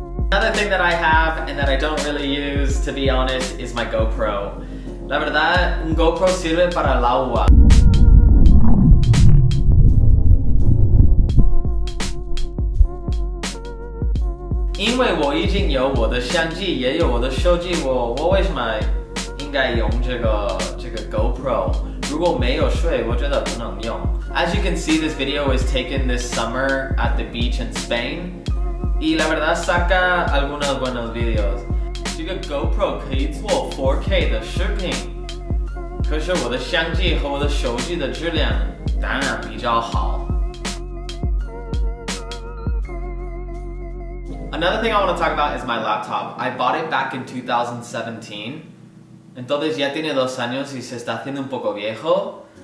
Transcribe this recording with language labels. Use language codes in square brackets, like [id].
[en] Another thing that I have and that I don't really use, to be honest, is my GoPro. [es] La verdad, un GoPro sirve para el agua. [zh] 因为我已经有我的相机，也有我的手机，我为什么应该用这个 GoPro？如果没有水，我觉得不能用。 [en] As you can see, this video was taken this summer at the beach in Spain. [es] Y la verdad saca algunos buenos videos. [zh] 这个 GoPro 可以做 4K 的视频，可是我的相机和我的手机的质量当然比较好。 [en] Another thing I want to talk about is my laptop. I bought it back in 2017. [es] Entonces ya tiene 2 años y se está haciendo un poco viejo.